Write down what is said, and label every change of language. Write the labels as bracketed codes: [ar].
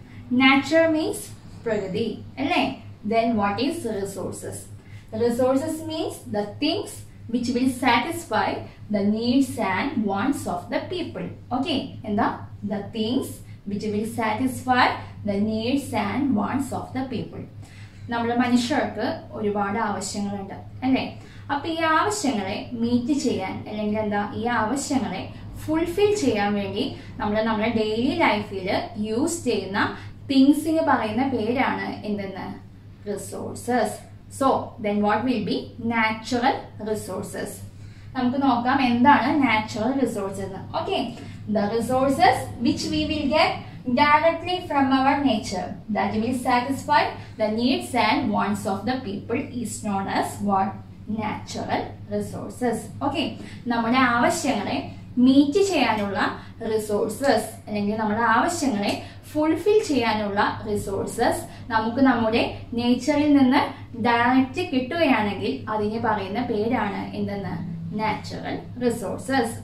[en] Nature means prakriti, right? Then what is resources? Resources means the things which will satisfy the needs and wants of the people. Okay, and the things which will satisfy the needs and wants of the people. [ml] നമ്മുടെ മനുഷ്യർക്ക് ഒരുപാട് ആവശ്യങ്ങളുണ്ട് അല്ലേ? അപ്പൊ ഈ ആവശ്യങ്ങളെ meet ചെയ്യാൻ, അല്ലെങ്കിൽ എന്താ, ഈ ആവശ്യങ്ങളെ ഫുൾഫിൽ ചെയ്യാൻ വേണ്ടി നമ്മൾ നമ്മുടെ ഡെയിലി ലൈഫിൽ യൂസ് ചെയ്യുന്ന തിങ്സിന് പറയുന്ന പേരാണ് എന്തെന്ന്, resources. [en] So then what will be natural resources? [ml] നമുക്ക് നോക്കാം എന്താണ് natural resources. [en] Okay, the resources which we will get directly from our nature that will satisfy the needs and wants of the people is known as what? Natural resources. [ml] Okay, നമ്മുടെ ആവശ്യങ്ങളെ meet ചെയ്യാനുള്ള resources, അല്ലെങ്കിൽ നമ്മുടെ ആവശ്യങ്ങളെ fulfil ചെയ്യാനുള്ള resources നമുക്ക് നമ്മുടെ നേച്ചറിൽ നിന്ന് ഡയറക്റ്റ് കിട്ടുകയാണെങ്കിൽ അതിന് പറയുന്ന പേരാണ് എന്തെന്ന്, നാച്ചുറൽ റിസോഴ്സസ്.